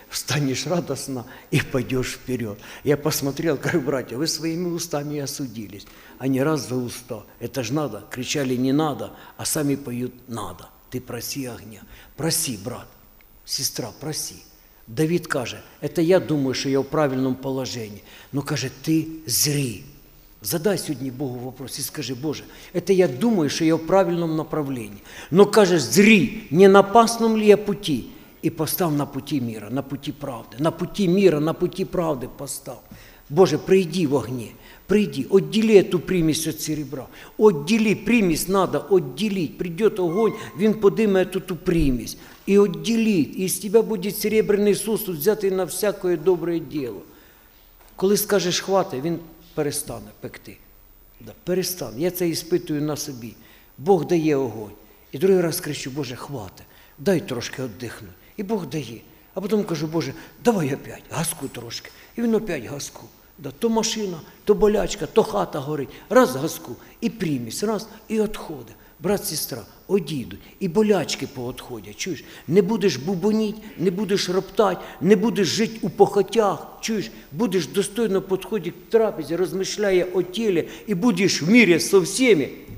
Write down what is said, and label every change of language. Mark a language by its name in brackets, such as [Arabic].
[Russian] станешь радостно и пойдешь вперед. Я посмотрел, говорю, братья, вы своими устами осудились. Они раз за уста, это ж надо, кричали не надо, а сами поют надо. Ты проси огня, проси, брат, сестра, проси. Давид каже, это я думаю, что я в правильном положении. Но каже, ты зри. [Ukrainian] Задай сьогодні Богу вопрос і скажи, Боже, це я думаю, що я в правильному направленні. Но кажеш, зрі, не на пасному ли я путі? І постав на путі міра, на путі правди. На путі міра, на путі правди постав. Боже, прийди в огні, прийди, відділи ту примісь від серебра. Відділи, примісь треба відділити. Прийде огонь, він подиме ту примісь. І відділи, і з тебе буде серебряний сосуд взятий на всякое добре діло. Коли скажеш, хватить, він перестане пекти. Да, перестане. Я це іспитую на собі. Бог дає огонь. І другий раз кричу, Боже, хватить. Дай трошки віддихну. І Бог дає. А потім кажу, Боже, давай опять, гаску трошки. І він опять гаску. Да, то машина, то болячка, то хата горить. Раз гаску, і примісь, раз, і відходить. Брат, сестра, одійдуть. І болячки поотходять. Чуєш? Не будеш бубоніть, не будеш роптати, не будеш жити у похотях. Чуєш? Будеш достойно підходити к трапезі, розмишляє о тілі, і будеш в мірі со всіми.